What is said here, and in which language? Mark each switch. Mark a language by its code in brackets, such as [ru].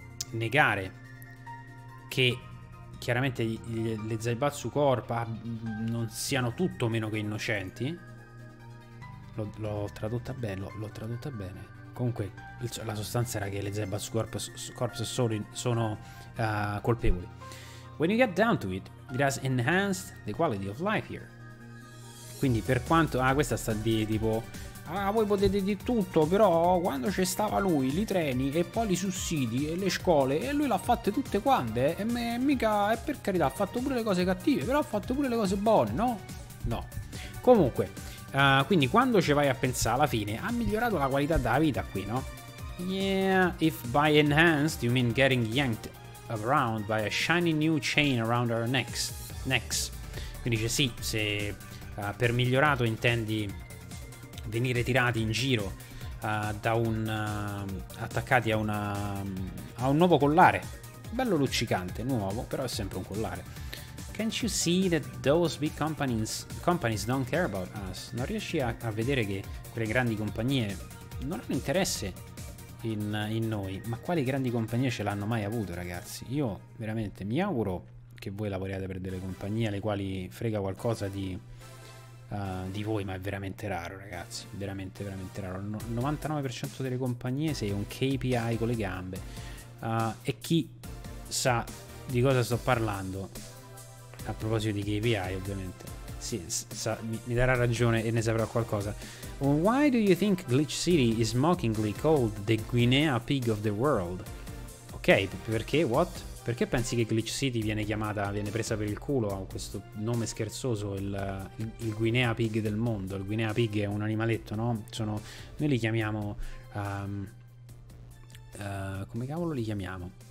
[it] negare che chiaramente le Zaibatsu Corp non siano tutto meno che innocenti. L'ho tradotta bene. Comunque la sostanza era che le Zaibatsu Corp sono colpevoli. [en] When you get down to it, it has enhanced the quality of life here. [it] Quindi per quanto... Ah, questa sta di tipo... Ah, voi potete di tutto, però quando c'è stava lui, i treni e poi i sussidi e le scuole, e lui l'ha fatte tutte quante, e mica, e per carità, ha fatto pure le cose cattive, però ha fatto pure le cose buone, no? No. Comunque, quindi quando ci vai a pensare, alla fine, ha migliorato la qualità della vita qui, no? [en] Yeah, if by enhanced you mean getting yanked around by a shiny new chain around our necks. [it] Quindi dice sì, se per migliorato intendi venire tirati in giro attaccati a un nuovo collare bello luccicante, nuovo, però è sempre un collare. [en] Can't you see that those big companies don't care about us? [it] Non riesci a vedere che quelle grandi compagnie non hanno interesse in noi? Ma quali grandi compagnie ce l'hanno mai avuto, ragazzi? Io veramente mi auguro che voi lavoriate per delle compagnie alle quali frega qualcosa di voi, ma è veramente raro, ragazzi, veramente veramente raro. No, 99% delle compagnie sei un KPI con le gambe, e chi sa di cosa sto parlando a proposito di KPI, ovviamente sì, mi darà ragione e ne saprà qualcosa. [en] Why do you think Glitch City is mockingly called the Guinea Pig of the World? [it] Ok, perché? [en] What? [it] Perché pensi che Glitch City viene presa per il culo a questo nome scherzoso, il Guinea Pig del mondo? Il Guinea Pig è un animaletto, no? Noi li chiamiamo... come cavolo li chiamiamo?